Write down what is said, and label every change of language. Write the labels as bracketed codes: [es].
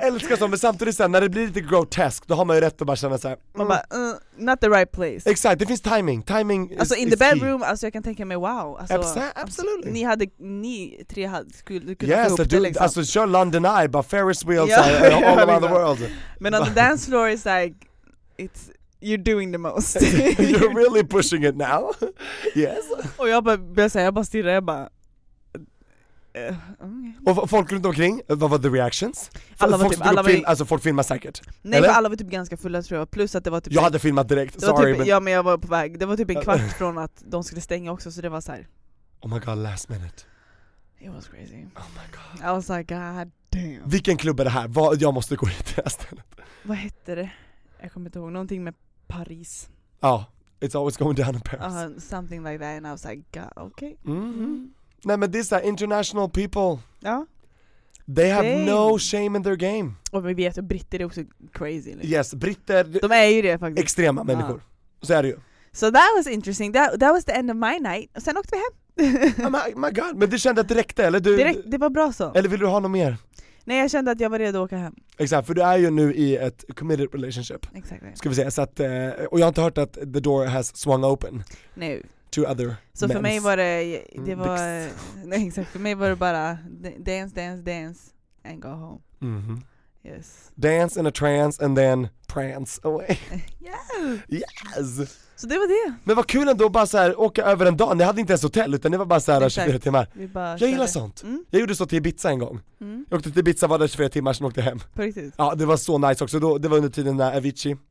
[sv] Jag älskar som, men samtidigt sen när det blir lite groteskt, då har man ju rätt att bara känna såhär. Man bara, [en] not the right place. [sv] Exakt, det finns timing. Timing alltså [en] is, in the bedroom, [sv] alltså jag kan tänka mig, wow. Alltså, [en] absolutely. [sv] Alltså, ni tre skulle kunna [en] yes, [sv] få ihop det liksom. Alltså kör [en] London Eye, bara Ferris wheels yeah. Are, all around the world. Men on the dance floor is like, it's... You're doing the most. You're really pushing it now. Yes. [sv] Och jag bara säger, jag bara stirrar, jag bara... Och folk runt omkring, vad var [en] the reactions? [sv] Alla var folk typ, alltså folk filmade säkert. Nej, eller? För alla var typ ganska fulla tror jag. Plus att det var typ jag hade filmat direkt. [en] Sorry, [sv] typ, ja, men jag var på väg. Det var typ en kvart från att de skulle stänga också, så det var så här. [en] Oh my god, last minute. It was crazy. Oh my god. I was like, god damn. [sv] Vilken klubb är det här? Vad, jag måste gå hit istället. Vad hette det? Jag kommer inte ihåg. Någonting med Paris. [en] Ja, oh, it's always going down in Paris. Something like that, and I was like, god, okay. Mm-hmm. [sv] Nej, men det är [en] international people. [sv] Ja. [en] They have no shame in their game. [sv] Och vi vet att britter är också crazy. Liksom. Yes, britter. De är ju det faktiskt. Extrema människor. Ja. Så är det ju. [en] So that was interesting. That was the end of my night. [sv] Och sen åkte vi hem. [en] Oh my god. [sv] Men du kände att det räckte, eller du? Direkt, det var bra så. Eller vill du ha något mer? Nej, jag kände att jag var redo att åka hem. Exakt, för du är ju nu i ett [en] committed relationship. [sv] Exakt. Ska vi säga. Så att, och jag har inte hört att [en] the door has swung open. [sv] Nu. [en] To other [sv] så [en] men's. [sv] För mig var det, det var, nej, exakt, för mig var det bara [en] dance, dance, dance and go home. Mm-hmm. Yes. Dance in a trance and then prance away. Yes. Yes. [sv] Så det var det. Men vad kul ändå att bara så här, åka över en dag. Ni hade inte ens hotell utan ni var bara så här 24 timmar. Jag gillar sånt. Mm. Jag gjorde så till Ibiza en gång. Mm. Jag åkte till Ibiza, var där 24 timmar sen åkte hem. På riktigt? Ja, det var så nice också. Då, det var under tiden när Avicii,